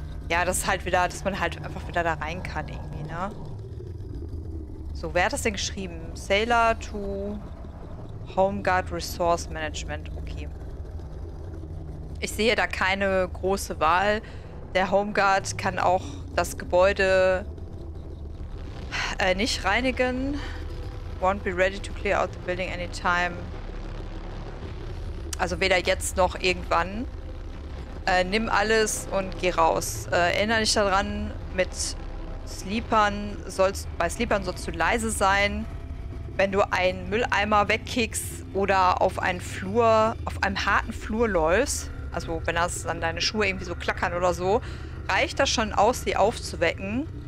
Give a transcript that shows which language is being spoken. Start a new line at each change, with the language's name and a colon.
German: Ja, das ist halt wieder, dass man halt einfach wieder da rein kann, irgendwie, ne? So, wer hat das denn geschrieben?
English: Sailor to Home Guard Resource Management.
German: Okay. Ich sehe da keine große Wahl. Der Home Guard kann auch das Gebäude nicht reinigen.
English: Won't be ready to clear out the building anytime.
German: Also weder jetzt noch irgendwann. Nimm alles und geh raus. Erinnere dich daran, bei Sleepern sollst du leise sein. Wenn du einen Mülleimer wegkickst oder auf einem harten Flur läufst, also wenn das dann deine Schuhe irgendwie so klackern oder so, reicht das schon aus, sie aufzuwecken.